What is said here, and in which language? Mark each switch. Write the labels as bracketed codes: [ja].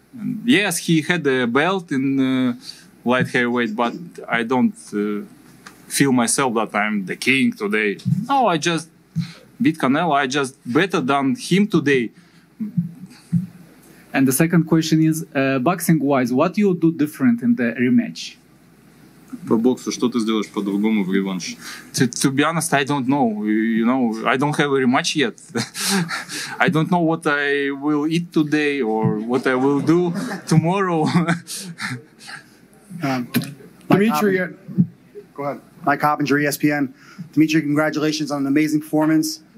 [en] And yes, he had a belt in light heavyweight, but I don't feel myself that I'm the king today. No, I just beat Canelo. I just better than him today. And the second question is, boxing-wise, what you do different in the rematch? [ru] По боксу, что ты сделаешь по-другому в реванш? [en] To be honest, I don't know. You know, I don't have a rematch yet. I don't know what I will eat today or what I will do tomorrow. Dmitry, go ahead. Mike Hoppinger, ESPN. Dmitry, congratulations on an amazing performance.